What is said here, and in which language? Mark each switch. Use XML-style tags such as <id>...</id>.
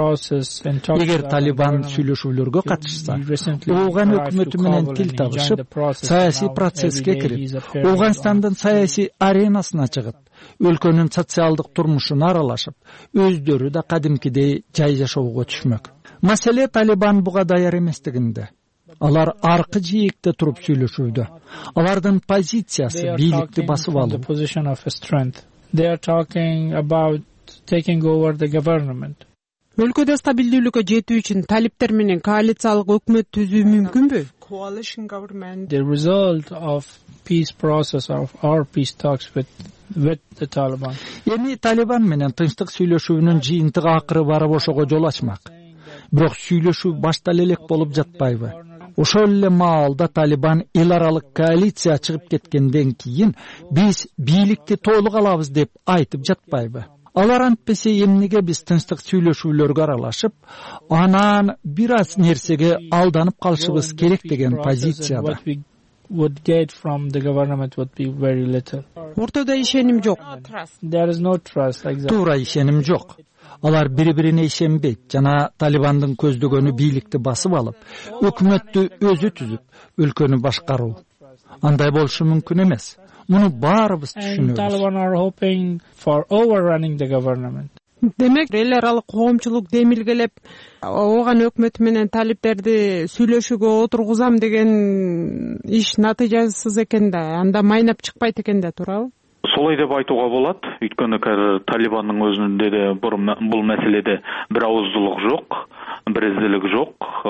<ky>Эгер Талибан сүйлөшүүлөргө катышса, Ооган өкмөтү менен тил табышып, саясий процесске кирип, Оогонстандын саясий аренасына чыгып, өлкөнүн социалдык турмушуна аралашып, өздөрү да кадимкидей жай жашоого түшмөк. Маселе Талибан буга даяр эместигинде. Алар аркы жээкте туруп сүйлөшүүдө. Алардын позициясы бийликти басып алуу.</ky> <en>They are talking about taking over the government.</en> <ky>Өлкөдө стабилдүүлүккө жетүү үчүн талиптер менен коалициялык өкмөт түзүү мүмкүнбү?</ky> <en>The result of peace process of our peace talks with the Taliban.</en> <ky>Эми Талибан менен тынчтык сүйлөшүүнүн жыйынтыгы акыры барып ошого жол ачмак. Бирок сүйлөшүү баштал элек болуп жатпайбы? Ошол эле маалда Талибан эл аралык коалиция чыгып кеткенден кийин биз бийликти толук алабыз деп айтып жатпайбы? Алар антпесе эмнеге биз тынчтык сүйлөшүүлөргө аралашып, анан бир аз нерсеге алданып калышыбыз керек деген позицияда.</ky> <en>Would get from the government would be very little.</en> <ky>Ортодо ишеним жок.</ky> <en>There is no trust exactly.</en> <ky>Туура ишеним жок. Алар бири-бирине ишенбейт жана Талибандын көздөгөнү бийликти басып алып, өкмөттү өзү түзүп, өлкөнү башкаруу. Андай болушу мүмкүн эмес. Муну баарыбыз түшүнөбүз.</ky> <en>Taliban are hoping for overrunning the government.</en> <ky>Демек, эл аралык коомчулук демилгелеп, ооган өкмөтү менен талиптерди сүйлөшүүгө отургузам деген иш натыйжасыз экен да, анда майнап чыкпайт экен да, туурабы?</ky> <kk>Солай деп айтууга болот, өйткөнү азыр Талибандын өзүндө да бул маселеде бир ауыздуулук жок, бириздилик жок.</kk>